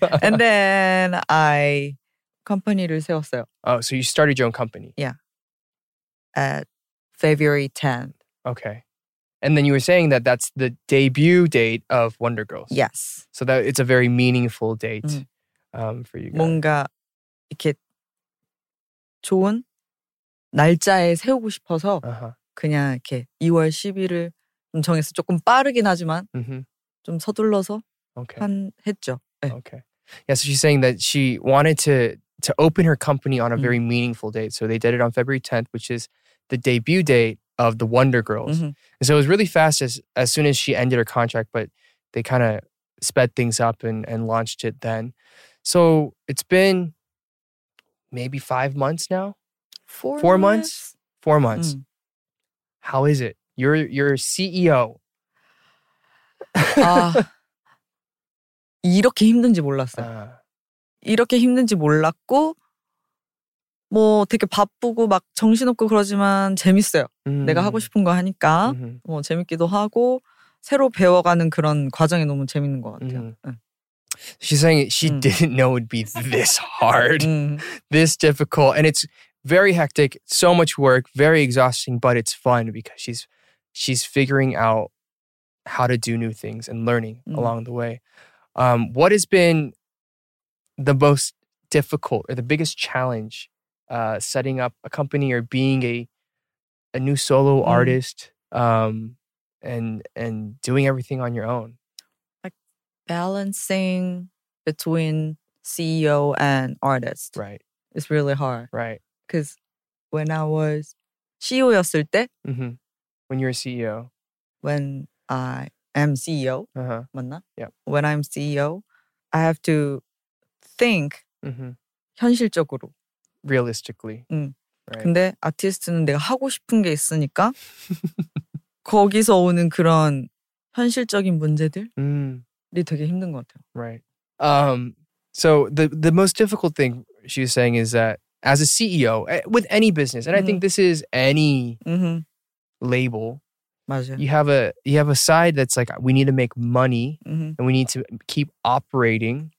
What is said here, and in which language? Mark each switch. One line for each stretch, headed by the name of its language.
English: And then I company to sell. Oh, so you started your own company. Yeah. At February 10th. Okay. And then you were saying that that's the debut date of Wonder Girls. Yes. So that it's a very meaningful date for you guys.
Korean: 뭔가 이렇게 좋은 날짜에 세우고 싶어서 그냥 이렇게 2월 10일을 좀 정해서 조금 빠르긴 하지만 좀 서둘러서 한 했죠. 네.
English: Okay. Yeah, so she's saying that she wanted to open her company on a very meaningful date. So they did it on February 10th, which is the debut date of the Wonder Girls. And so it was really fast as soon as she ended her contract, but they kind of sped things up and launched it then. So it's been maybe 5 months now? Four months. How is it? You're CEO.
Korean: 이렇게 힘든지 몰랐어요. 이렇게 힘든지 몰랐고 뭐 되게 바쁘고 막 정신없고 그러지만 재밌어요. 내가 하고 싶은 거 하니까 뭐 재밌기도 하고 새로 배워가는 그런 과정이 너무 재밌는 것 같아요.
English: She's saying she didn't know it'd be this hard, this difficult, and it's very hectic, so much work, very exhausting, but it's fun because she's figuring out how to do new things and learning along the way. What has been the most difficult or the biggest challenge setting up a company or being a a new solo artist, and doing everything on your own? Like balancing between CEO and artist. Right. It's really hard. Right. Because when I was CEO
Korean: 였을 때,
English: when you're a CEO. When I am CEO. Yeah. When I'm CEO, I have to think
Korean: 현실적으로.
English: Realistically. Right.
Korean: 근데 아티스트는 내가 하고 싶은 게 있으니까 거기서 오는 그런 현실적인 문제들이 되게 힘든 것 같아요.
English: Right. So the most difficult thing she was saying is that as a CEO with any business, and I think this is any label,
Korean: 맞아.
English: You have a side that's like we need to make money and we need to keep operating.